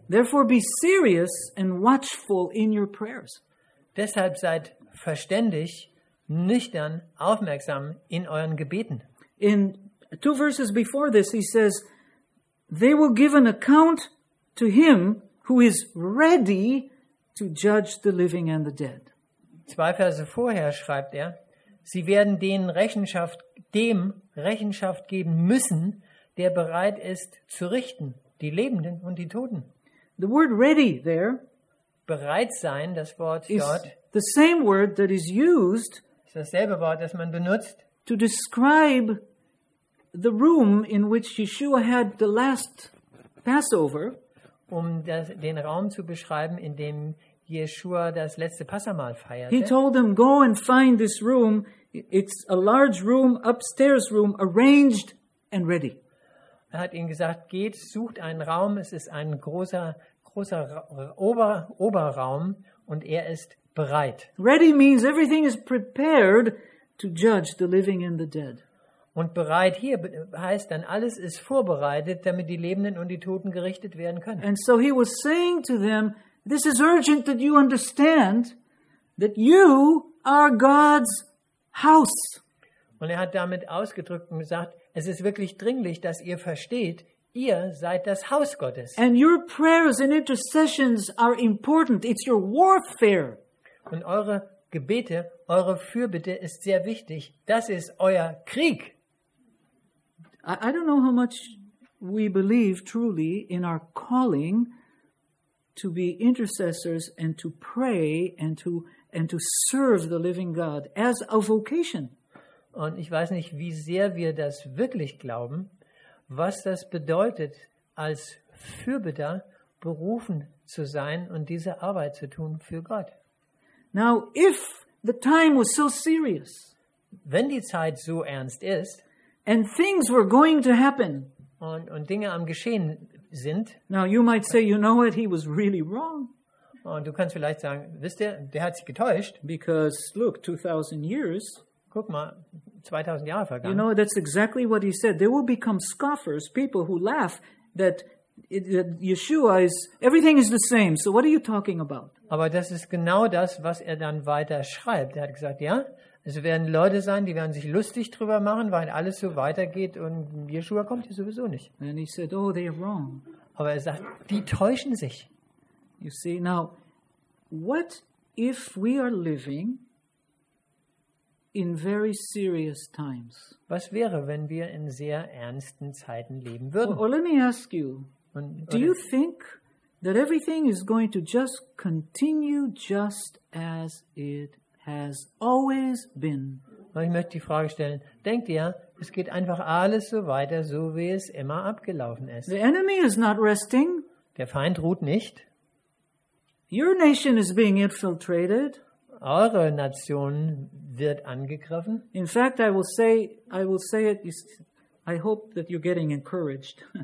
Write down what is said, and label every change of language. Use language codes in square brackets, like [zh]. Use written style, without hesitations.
[en] Therefore be serious and watchful in your prayers. [de] Deshalb seid verständig, nüchtern, aufmerksam in euren Gebeten. [en] In two verses before this, he says, they will give an account to him who is ready to judge the living and the dead. [de] Zwei Verse vorher schreibt er, sie werden dem Rechenschaft geben müssen, der bereit ist zu richten, die Lebenden und die Toten. [en] The word ready there, [de] bereit sein, das Wort dort, [en] the same word that is used, [de] ist dasselbe Wort, das man benutzt, [en] to describe the room in which Yeshua had the last Passover, [de] um den Raum zu beschreiben, in dem Yeshua das letzte Passamahl feierte. [en] He told them, go and find this room. It's a large room, upstairs room, arranged and ready. [de] Er hat ihnen gesagt, geht, sucht einen Raum. Es ist ein großer Oberraum und er ist bereit. [en] Ready means everything is prepared to judge the living and the dead. [de] Und bereit hier heißt dann, alles ist vorbereitet, damit die Lebenden und die Toten gerichtet werden können. [en] And so he was saying to them, this is urgent that you understand that you are God's house. [de] Und er hat damit ausgedrückt und gesagt, es ist wirklich dringlich, dass ihr versteht, ihr seid das Haus Gottes. [en] And your prayers and intercessions are important. It's your warfare. [de] Und eure Gebete, eure Fürbitte ist sehr wichtig. Das ist euer Krieg. [en] I don't know how much we believe truly in our calling to be intercessors and to pray and to serve the living God as a vocation. [de] Und ich weiß nicht, wie sehr wir das wirklich glauben, was das bedeutet, als Fürbitter berufen zu sein und diese Arbeit zu tun für Gott. [en] Now, if the time was so serious, [de] wenn die Zeit so ernst ist, [en] and things were going to happen, [de] und Dinge am Geschehen sind, [en] now you might say, you know what, he was really wrong. [de] Und du kannst vielleicht sagen, wisst ihr, der hat sich getäuscht. [en] Because look, 2000 years. [de] Guck mal, 2000 Jahre vergangen. [en] You know, that's exactly what he said. There will become scoffers, people who laugh that. Yeshua is everything is the same. So what are you talking about? [de] Aber das ist genau das, was er dann weiter schreibt. Er hat gesagt, ja, es werden Leute sein, die werden sich lustig drüber machen, weil alles so weitergeht und Yeshua kommt hier sowieso nicht. [en] And he said, oh, they're wrong. [de] Aber er sagt, die täuschen sich. [en] You see now, what if we are living in very serious times? [de] Was wäre, wenn wir in sehr ernsten Zeiten leben würden? [en] Well, let me ask you. Do you think that everything is going to just continue just as it has always been? [de] Ich möchte die Frage stellen. Denkt ihr, es geht einfach alles so weiter, so wie es immer abgelaufen ist? [en] The enemy is not resting. [de] Der Feind ruht nicht. [en] Your nation is being infiltrated. [de] Eure Nation wird angegriffen. [en] In fact, I will say it is. I hope that you're getting encouraged.